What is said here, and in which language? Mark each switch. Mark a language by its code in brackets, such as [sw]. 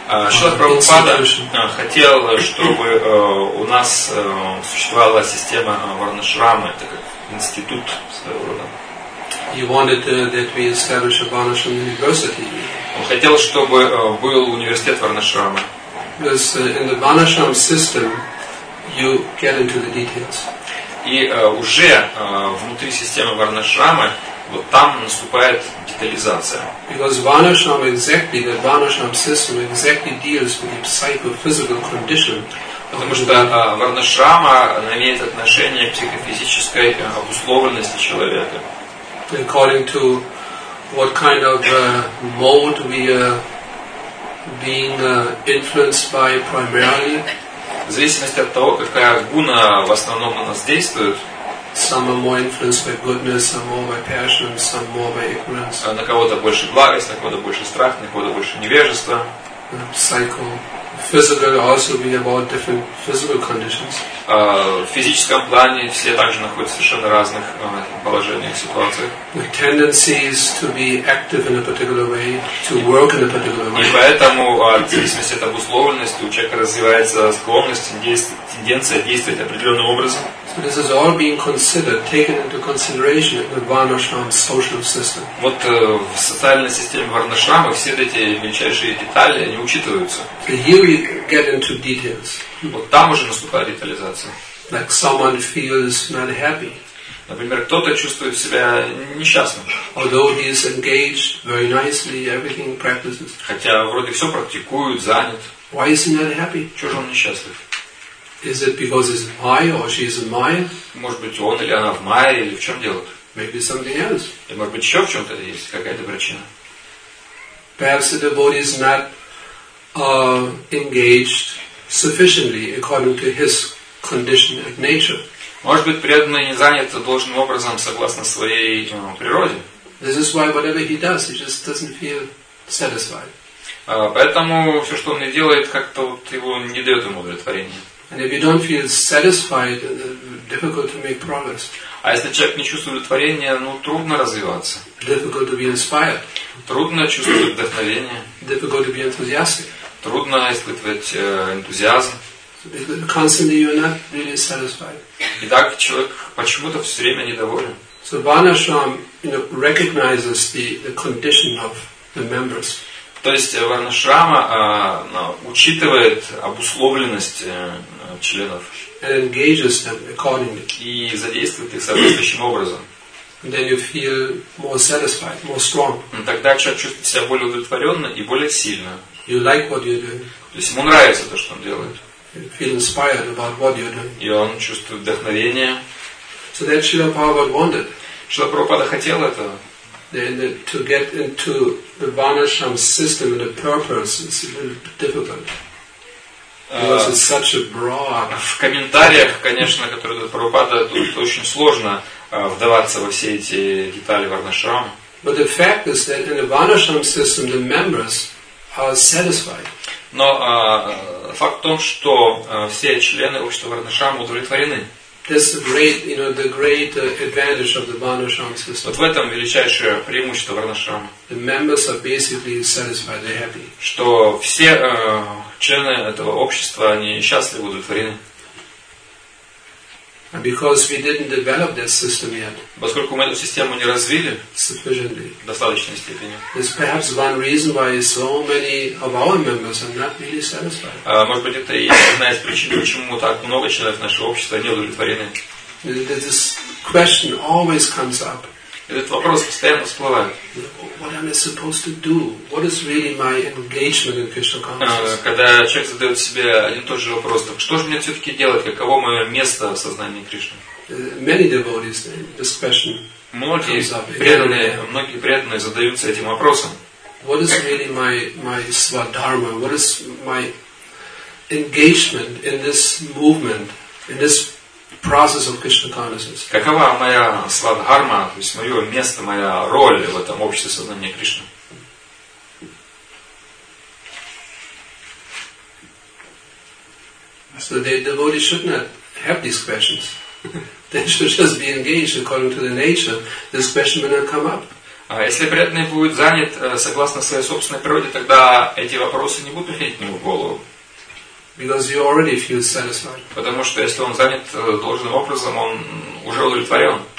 [ru] Шрила Прабхупада хотел, чтобы у нас существовала система Варнашрама, это как институт своего рода. [en] He wanted that we establish a Varnashram university. [ru] Он хотел, чтобы был университет Варнашрама. [en] Because in the Vanashram system you get into the details. [ru] И уже внутри системы Варнашрама вот там наступает детализация. [en] Because Varnashram exactly, the Varnashram system exactly deals with the psychophysical condition. [ru] Потому что Варнашрама имеет отношение к психофизической обусловленности человека. [en] According to what kind of mode we are being influenced by primarily. [ru] В зависимости от того, какая гуна в основном на нас действует. [en] Some are more influenced by goodness, some more by passion, some more by ignorance. [ru] На кого-то больше благость, на кого-то больше страх, на кого-то больше невежество. [en] Psycho. Physical also we have all different physical conditions. [ru] В физическом плане все также находятся в совершенно разных положениях, ситуациях. [en] The tendency is to be active in a particular way, to work in a particular way. [ru] И поэтому, в зависимости от обусловленности, у человека развивается склонность, тенденция действовать определенным образом. [en] So this is all being considered, taken into consideration in the Varnashram social system. [ru] Вот в социальной системе Варнашрама все эти мельчайшие детали, они учитываются. [en] So here we get into details. [ru] Вот там уже наступает детализация. [en] Like someone feels not happy. [ru] Например, кто-то чувствует себя несчастным. [en] Although he is engaged very nicely, everything practices. [ru] Хотя вроде все практикует, занят. [en] Why is he not happy? [ru] Чего же он несчастлив? [en] Is it because he's Maya or she is Maya? [ru] Может быть, он или она в Майе, или в чем дело? [en] Maybe something else. [ru] И может быть, еще в чем-то есть какая-то причина. [en] Perhaps the devotee is not engaged sufficiently according to his condition of nature. [ru] Может быть, преданный не занят должным образом согласно своей природе. [en] This is why whatever he does, he just doesn't feel satisfied. [ru] Поэтому все, что он не делает, как-то вот его не дает ему удовлетворения. [en] And if you don't feel satisfied, difficult to make progress. [ru] А если человек не чувствует удовлетворения, ну трудно развиваться. [en] Difficult to be inspired. [ru] Трудно чувствовать вдохновение. [en] Difficult to be enthusiastic. [ru] Трудно испытывать энтузиазм. [en] Constantly you're not really satisfied. [ru] Итак, человек почему-то все время недоволен. [en] So Varnashram, you know, recognizes the condition of the members. [ru] То есть Варнашрама учитывает обусловленность членов. [en] And engages them accordingly. [ru] И задействует их соответствующим образом. [en] Then you feel more satisfied, more strong. [ru] Тогда человек чувствует себя более удовлетворенно и более сильно. [en] You like what you're doing. [ru] То есть ему нравится то, что он делает. [en] Feel inspired about what you're doing. [ru] И он чувствует вдохновение. [en] So that Srila Prabhupada wanted. [ru] Srila Prabhupada хотел этого. [en] Then to get into the Varnashram system and the purpose is a little bit difficult. Because it's such a broad. [ru] В комментариях, конечно, которые дают Прабхупада, тут очень сложно вдаваться во все эти детали Варнашрама. [en] But the fact is that in the Varnashram system the members are satisfied. [ru] Но факт в том, что все члены общества Варнашрама удовлетворены. [en] That's the great, you know, the great advantage of the Varnashram system. [ru] Вот в этом величайшее преимущество Варнашрама. [en] The members are basically satisfied, they're happy. [ru] Что все члены этого общества, они счастливы, удовлетворены. [en] And because we didn't develop that system yet. [ru] Поскольку мы эту систему не развили [en] sufficiently. [ru] В достаточной степени. [en] There's perhaps one reason why so many of our members are not really satisfied. [ru] Может быть, это и одна из причин, почему так много членов нашего общества не удовлетворены. [en] This question always comes up. [ru] Этот вопрос постоянно всплывает. [en] What am I supposed to do? What is really my engagement in Krishna consciousness? [ru] Когда человек задает себе один и тот же вопрос, так что же мне все-таки делать? Каково мое место в сознании Кришны? [en] Many devotees this question. [ru] Многие преданные задаются этим вопросом. [en] What is really my swadharma? What is my engagement in this movement, in this process of Krishna consciousness. [ru] Какова моя свадхарма, то есть мое место, моя роль в этом обществе сознания Кришны? [en] So the devotee should not have these questions. They should just be engaged according to the nature. This question will not come up. [ru] А если преданный будет занят согласно своей собственной природе, тогда эти вопросы не будут приходить ему в голову. [en] Because you already feel satisfied. [ru] Потому что если он занят должным образом, он уже удовлетворен.